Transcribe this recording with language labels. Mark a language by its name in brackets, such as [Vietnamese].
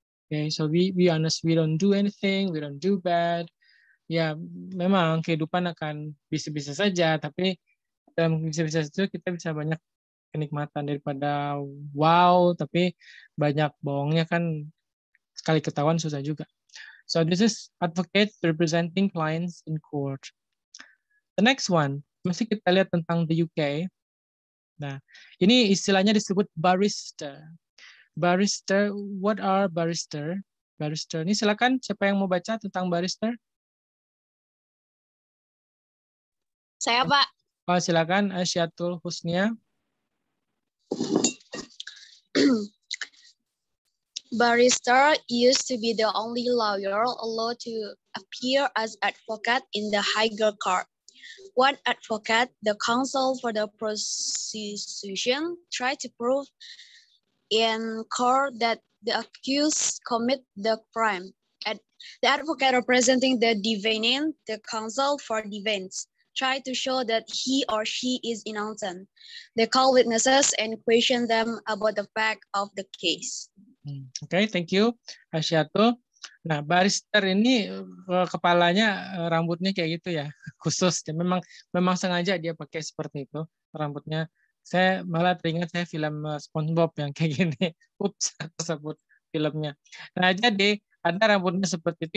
[English] Okay, so we honest, we don't do anything, we don't do bad. [Indonesian] Ya, memang kehidupan akan bisa-bisa saja, tapi dalam bisa-bisa itu kita bisa banyak kenikmatan daripada wow, tapi banyak bohongnya kan, sekali ketahuan susah juga. [English] So this is advocate representing clients in court. The next one, [Indonesian] masih kita lihat tentang [English] the UK. [Indonesian] Nah, ini istilahnya disebut barrister. Barrister, [English] what are barrister? [Indonesian] Barrister, ini silakan siapa yang mau baca tentang barrister? Saya, Pak. Oh, silakan, Asyatul Husnia. [English] Barrister used to be the only lawyer allowed to appear as advocate in the higher court. One advocate, the counsel for the prosecution, tried to prove in court that the accused committed the crime. The advocate representing the defendant, the counsel for defense, try to show that he or she is innocent. They call witnesses and question them about the fact of the case. Okay, thank you, Asyato. [Indonesian] Nah, barister ini kepalanya rambutnya kayak gitu ya, khusus. Dia memang memang sengaja dia pakai seperti itu rambutnya. Saya malah teringat saya film SpongeBob yang kayak gini. Ups, tersebut filmnya. Nah, jadi ada rambutnya seperti itu.